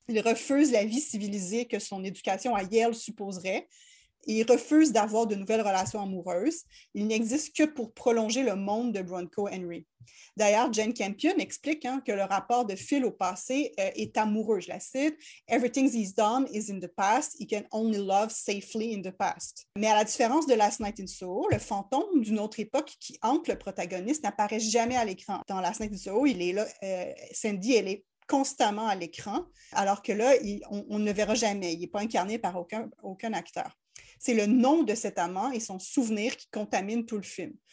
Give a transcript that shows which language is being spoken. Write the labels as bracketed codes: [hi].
[fr] Il refuse la vie civilisée que son éducation à Yale supposerait, et il refuse d'avoir de nouvelles relations amoureuses. Il n'existe que pour prolonger le monde de Bronco Henry. D'ailleurs, Jane Campion explique que le rapport de Phil au passé est amoureux, je la cite. [en] « Everything he's done is in the past. He can only love safely in the past. [fr] » Mais à la différence de Last Night in Soho, le fantôme d'une autre époque qui hante le protagoniste n'apparaît jamais à l'écran. Dans Last Night in Soho, il est là, Sandy, elle est constamment à l'écran, alors que là, on ne le verra jamais. Il n'est pas incarné par aucun acteur. C'est le nom de cet amant et son souvenir qui contamine tout le film.